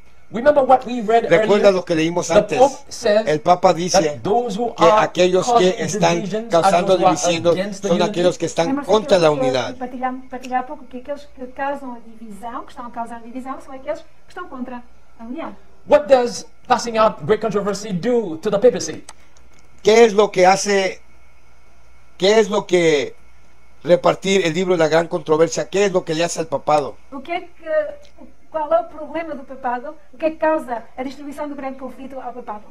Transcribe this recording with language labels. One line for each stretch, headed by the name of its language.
English: Remember what we read.
Spanish: Recuerda
English: earlier,
Spanish: lo que leímos antes. El Papa dice que aquellos que están causando división son aquellos que están contra la unidad. Aquellos que causan división, que están causando división, son aquellos que están contra la unidad.
English: What does passing out great controversy do to the papacy?
Spanish: ¿Qué es lo que hace? ¿Qué es lo que repartir el libro de la gran controversia? ¿Qué es lo que le hace al papado? ¿Cuál es el problema del papado? ¿Qué causa la distribución del gran conflicto al papado?